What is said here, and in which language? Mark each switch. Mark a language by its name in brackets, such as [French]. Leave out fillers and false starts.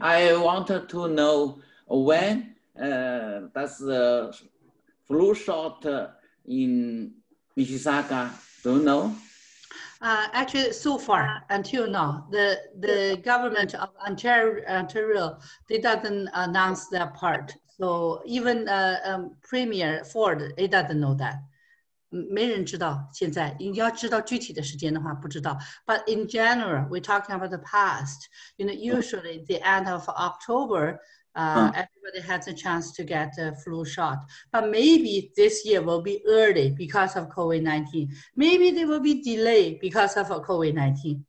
[English] I wanted to know when does the flu shot in Mississauga? Do you know? Actually, so far, until now, the government of Ontario, they doesn't announce that part. So even Premier Ford, he doesn't know that. [Chinese] 没人知道现在，你要知道具体的时间的话，不知道。 [English] But in general, we're talking about the past. You know, usually the end of October, everybody has a chance to get a flu shot. But maybe this year will be early because of COVID-19. Maybe they will be delayed because of COVID-19.